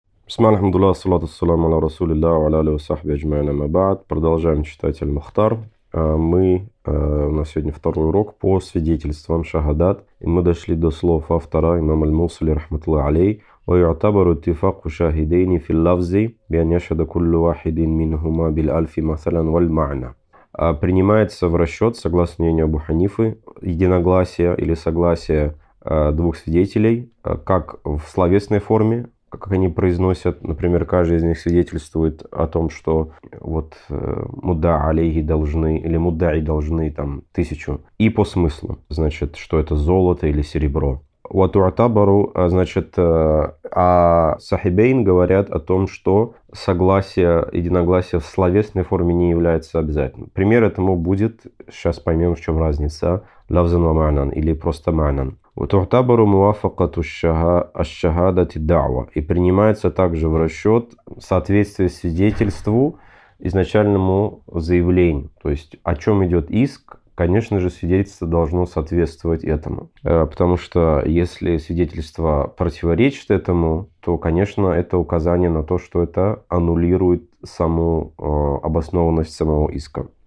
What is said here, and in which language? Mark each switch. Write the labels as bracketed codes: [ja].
[ar] بسم الله الحمد لله والصلاة والسلام على رسول الله وعلى آله وصحبه أجمعين أما بعد. [ru] Продолжаем читать Аль-Мухтар. У нас сегодня второй урок по свидетельствам шахадат. И мы дошли до слов автора имама Аль-Мусили рахматуллахи алейхи. [ar] وَيُعْتَبَرُ اتِّفَاقُ شَاهِدَيْنِ فِي اللَّفْظِ بِأَنْ يَشْهَدَ كُلُّ وَاحِدٍ مِنْهُمَا بِالْأَلْفِ مَثَلًا وَالْمَعْنَى. [ru] Принимается в расчет, согласно мнению Абу Ханифы, единогласие или согласие двух свидетелей, как в словесной форме, как они произносят, например, каждый из них свидетельствует о том, что вот мудда алейхи должны или муддаи должны там 1000, и по смыслу, значит, что это золото или серебро. Ватуатабару, значит, а сахибейн говорят о том, что согласие, единогласие в словесной форме не является обязательным. Пример этому будет, сейчас поймем, в чем разница, лавзан ва манан или просто манан. [ar] وتعتبر موافقة الشهادة الدعوة. [ru] И принимается также в расчет соответствие свидетельству изначальному заявлению. То есть о чем идет иск, конечно же, свидетельство должно соответствовать этому. Потому что если свидетельство противоречит этому, то, конечно, это указание на то, что это аннулирует саму обоснованность самого иска.